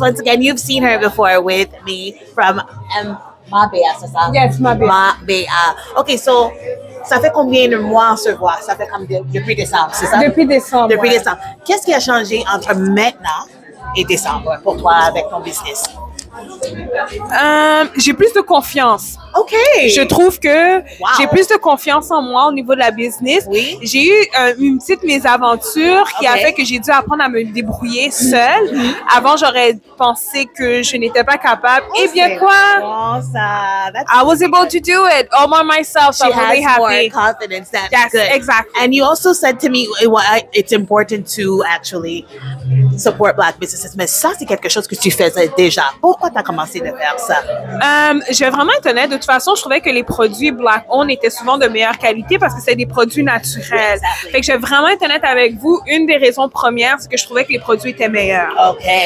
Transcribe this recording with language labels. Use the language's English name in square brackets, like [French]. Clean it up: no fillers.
[English] Once again, you've seen her before with me from Mabea. Yes, Mabea. Mabea. [French] Okay, so ça fait combien de mois se voir? Ça fait comme depuis décembre, c'est ça? Depuis décembre. Depuis décembre. Qu'est-ce qui a changé entre maintenant et décembre pour toi avec ton business? J'ai plus de confiance. Ok. Je trouve que j'ai plus de confiance en moi au niveau de la business. Oui. J'ai eu une petite mésaventure qui a fait que j'ai dû apprendre à me débrouiller seule. Avant, j'aurais pensé que je n'étais pas capable. Eh bien, quoi? Ça. [English] I was able to do it all by myself. She I'm really has happy. More confidence. That's yes, good. Exactly. And you also said to me, it's important to actually support Black businesses. [French] Mais ça, c'est quelque chose que tu faisais déjà. Pourquoi tu as commencé de faire ça? Je vais vraiment être honnête. De toute façon, je trouvais que les produits Black Owned étaient souvent de meilleure qualité parce que c'est des produits naturels. [English] Exactly. [French] Fait que je vais vraiment être honnête avec vous. Une des raisons premières, c'est que je trouvais que les produits étaient meilleurs. [English] OK.